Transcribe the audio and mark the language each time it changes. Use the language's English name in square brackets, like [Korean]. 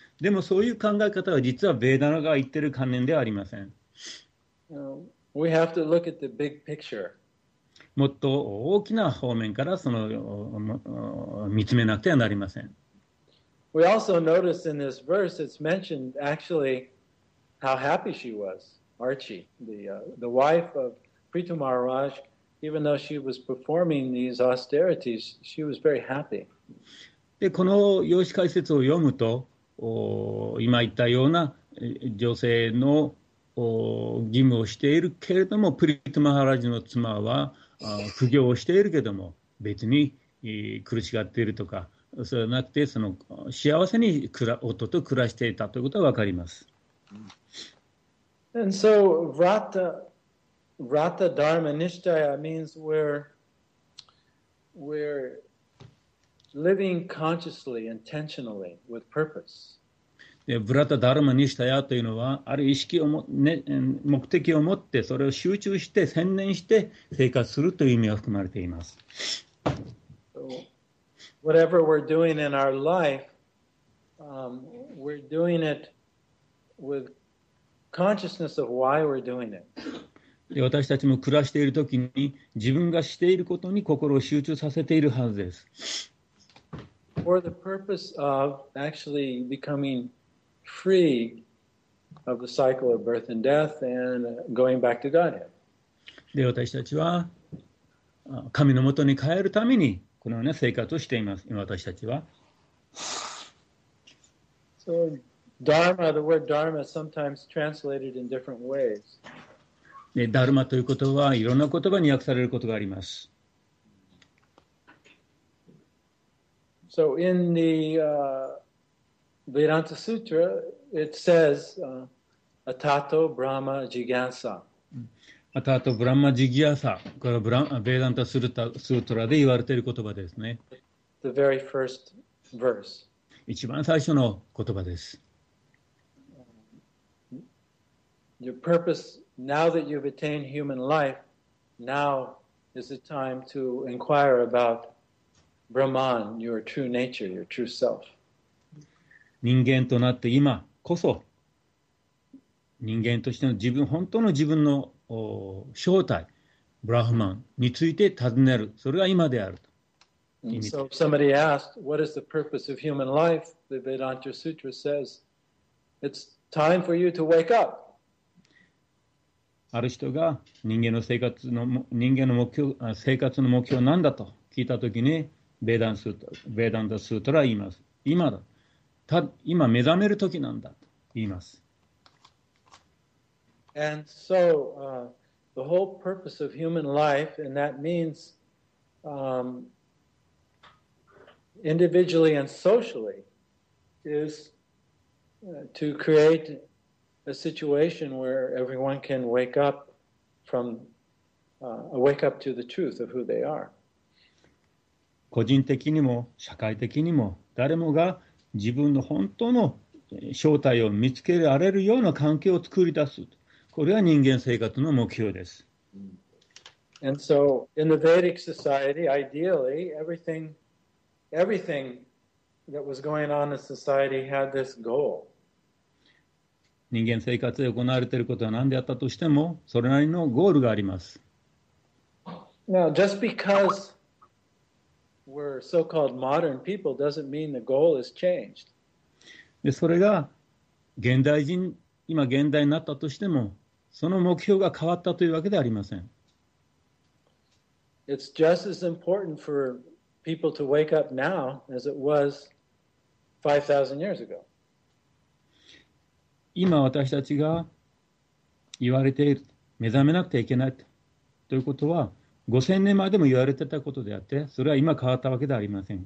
[Japanese] でもそういう考え方は実はベーダナが言ってる観念ではありません。 [English] We have to look at the big picture. [Japanese] もっと大きな方面からその見つめなくてはなりません。 [English] We also notice in this verse it's mentioned actually how happy she was, Archie, the wife of Prithu Maharaj, even though she was performing these austerities, she was very happy. [Japanese] で、この用紙解説を読むと、今言ったような女性の義務をしているけれどもプリトマハラジの妻は苦行をしているけれども別に苦しがっているとかそれはなくてその幸せに夫と暮らしていたということが分かります。 [English] And so Vrata Dharma Nishtaya means we're living consciously, intentionally, with purpose. [Japanese] でブラタダルマニシタヤというのはある意識をも、ね、目的を持ってそれを集中して専念して生活するという意味が含まれています。 [English] So, whatever we're doing in our life, we're doing it with consciousness of why we're doing it. [Japanese] で私たちも暮らしているときに自分がしていることに心を集中させているはずです。 [English] For the purpose of actually becomingfree of the cycle of birth and death and going back to Godhead. [Japanese] で、私たちは神のもとに帰るためにこのような生活をしています。今私たちは。 [English] So, Dharma, the word Dharma is sometimes translated in different ways. [Japanese] で、ダルマということはいろんな言葉に訳されることがあります。 [English] So, in the Vedanta Sutra, it says, [Sanskrit] Atato Brahma Jigyasa. Atato Brahma Jigyasa. [Japanese] これは Vedanta Sutra で言われている言葉ですね。 [English] The very first verse. [Japanese] 一番最初の言葉です。 [English] Your purpose, now that you've attained human life, now is a time to inquire about Brahman, your true nature, your true self. [Japanese] 人間となって今こそ人間としての自分、本当の自分の正体、ブラフマンについて尋ねる。それが今であると。 [English] So if somebody asked, what is the purpose of human life? The Vedanta Sutra says, it's time for you to wake up. [Japanese] ある人が人間の生活の、人間の目標、生活の目標は何だと聞いたときに、Vedanta Sutra は言います。今だ。今目覚めるときなんだと言います。 [English] And so, the whole purpose of human life, and that means, individually and socially, is to create a situation where everyone can wake up from, wake up to the truth of who they are. [Japanese] 個人的にも社会的にも誰もが自分の本当の正体を見つけられるような関係を作り出す。これは人間生活の目標です。 [English] And so, in the Vedic society, ideally, everything that was going on in society had this goal. [Japanese] 人間生活で行われていることは何であったとしても、それなりのゴールがあります。 [English] Now, just because we're so-called modern people doesn't mean the goal is changed. [Japanese] で、それが現代人、今現代になったとしても、その目標が変わったというわけではありません。 [English] It's just as important for people to wake up now as it was 5,000 years ago. [Japanese] 今私たちが言われている、目覚めなくてはいけないということは、5,000 年前でも言われてたことであって、それは今変わったわけではありません。